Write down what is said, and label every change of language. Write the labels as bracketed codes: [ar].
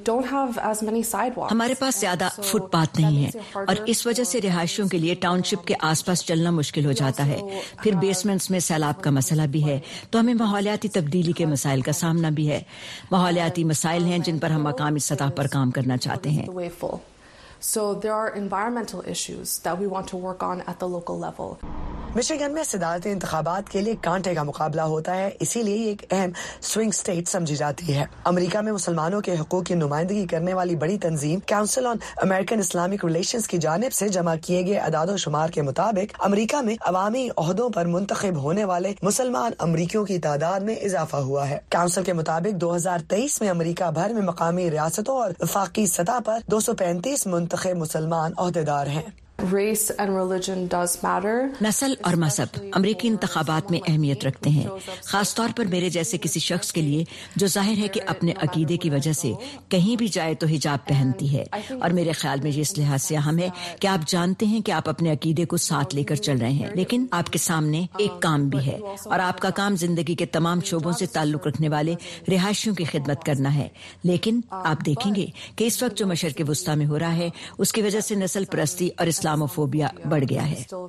[ur] ہمارے پاس زیادہ fit path نہیں ہے اور اس وجہ سے رہائشیوں کے لیے ٹاؤن شپ کے آس پاس چلنا مشکل ہو جاتا ہے۔ پھر بیسمنٹس میں سیلاب کا مسئلہ بھی ہے، تو ہمیں ماحولیاتی تبدیلی کے مسائل کا سامنا بھی ہے۔ ماحولیاتی مسائل ہیں جن پر ہم مقامی سطح پر کام کرنا چاہتے ہیں۔ [en] So there are environmental issues that we want to work on at the local level. [ur] Michigan میں صدارتی انتخابات کے لیے کانٹے کا مقابلہ ہوتا ہے، اسی لیے یہ ایک اہم سوئنگ سٹیٹ سمجھی جاتی ہے۔ امریکہ میں مسلمانوں کے حقوق کی نمائندگی کرنے والی بڑی تنظیم کاؤنسل آن امریکن اسلامک ریلیشنز کی جانب سے جمع کیے گئے اعداد و شمار کے مطابق امریکہ میں عوامی عہدوں پر منتخب ہونے والے مسلمان امریکیوں کی تعداد میں اضافہ ہوا ہے۔ کاؤنسل کے مطابق 2023 میں امریکہ بھر میں مقامی ریاستوں اور وفاقی سطح پر 235 منتخب مسلمان عہدیدار ہیں۔ [en] Race and religion does matter. [ur] نسل اور مذہب امریکی انتخابات میں اہمیت رکھتے ہیں، خاص طور پر میرے جیسے کسی شخص کے لیے جو ظاہر ہے کہ اپنے عقیدے کی وجہ سے کہیں بھی جائے تو حجاب پہنتی ہے، اور میرے خیال میں یہ اس لحاظ سے اہم ہے کہ آپ جانتے ہیں کہ آپ اپنے عقیدے کو ساتھ لے کر چل رہے ہیں، لیکن آپ کے سامنے ایک کام بھی ہے، اور آپ کا کام زندگی کے تمام شعبوں سے تعلق رکھنے والے رہائشیوں کی خدمت کرنا ہے۔ لیکن آپ دیکھیں گے کہ اس وقت جو مشرق وسطی میں ہو رہا ہے، اس کی وجہ سے نسل پرستی اور اسلاموفوبیا بڑھ گیا ہے۔